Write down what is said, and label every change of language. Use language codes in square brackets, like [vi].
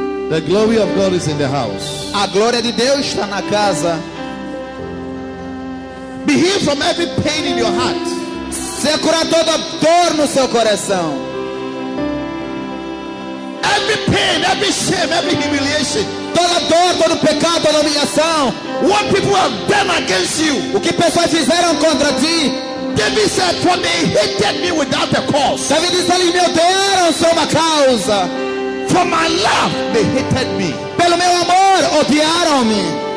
[en] The glory of God is in the house. [pt] A glória de Deus está na casa. [en] Be healed from every pain in your heart. [pt] Seja curado toda dor no seu coração. [en] Every pain, every shame, every humiliation. [pt] Toda dor, todo pecado, toda humilhação. [en] What people have done against you? [pt] O que pessoas fizeram contra ti? [en] David said, "For they hated me without a cause." [pt] David disse, eles me odiaram sem uma causa. [en] For my love, they hated me. [pt] Pelo meu amor, odiaram-me.